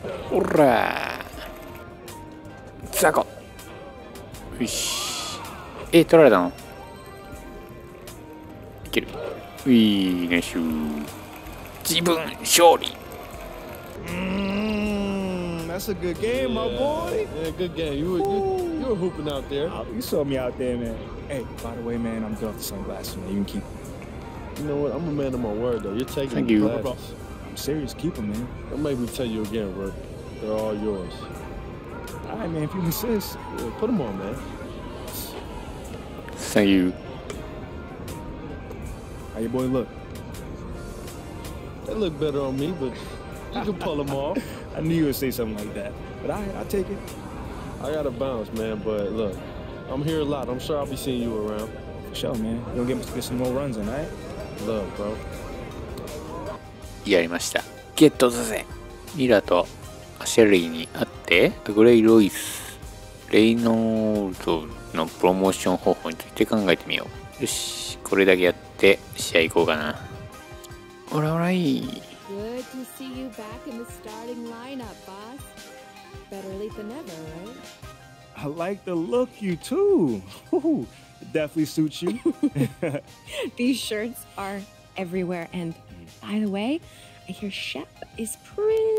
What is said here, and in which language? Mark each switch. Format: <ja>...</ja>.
<ja>おらー、ザコ、よし、取られたの、いける、ウィーネシュー、自分勝利。</ja> <en>That's a good game, my boy. Yeah, good game. You were hooping out there. Oh, you saw me out there, man. Hey, by the way, man, I'm doing the sunglasses, man. You can keep them. You know what? I'm a man of my word, though. You're taking the glasses. I'm serious. Keep them, man. Don't make me tell you again, bro. They're all yours. All right, man. If you insist, yeah, put them on, man. Thank you. How your boy look? They look better on me, but you can pull them off. I knew you would say something like that, but I take it. I gotta bounce, man, but look, I'm here a lot. I'm sure I'll be seeing you around. For sure, man. You'll get some more runs in, right? Love, bro.</en> <ja>やりました。ゲットだぜ。ミラとシェリーに会って、グレイ・ロイス、レイノールドのプロモーション方法について考えてみよう。よし、これだけやって試合行こうかな。オラオラい。</ja> <en>Good to see you back in the starting lineup, boss. Better late than never, right? I like the look, you too. Ooh, definitely suits you. These shirts are everywhere. And by the way, I hear Shep is pretty</en>